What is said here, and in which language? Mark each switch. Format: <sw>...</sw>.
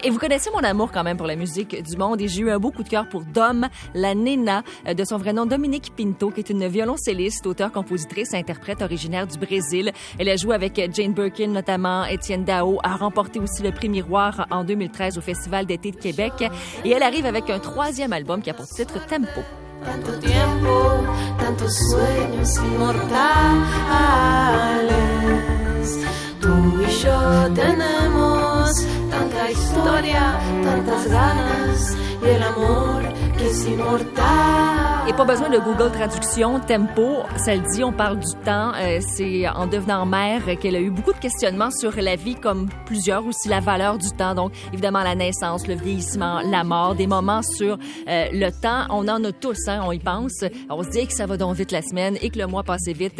<fr>Et vous connaissez mon amour quand même pour la musique du monde. Et j'ai eu un beau coup de cœur pour Dom, la Nena, de son vrai nom Dominique Pinto, qui est une violoncelliste, auteure, compositrice, interprète originaire du Brésil. Elle a joué avec Jane Birkin notamment, Étienne Dao, a remporté aussi le prix Miroir en 2013 au Festival d'été de Québec. Et elle arrive avec un troisième album qui a pour titre Tempo.</fr> <es>Tanto tiempo, tantos sueños inmortales. Tú y yo tenemos tanta historia, tantas ganas y el amor que es inmortal.</es> <fr>Et pas besoin de Google Traduction, Tempo, ça le dit, on parle du temps. C'est en devenant mère qu'elle a eu beaucoup de questionnements sur la vie, comme plusieurs, aussi la valeur du temps. Donc, évidemment, la naissance, le vieillissement, la mort, des moments sur le temps. On en a tous, hein, on y pense. On se dit que ça va donc vite la semaine et que le mois passe vite.</fr>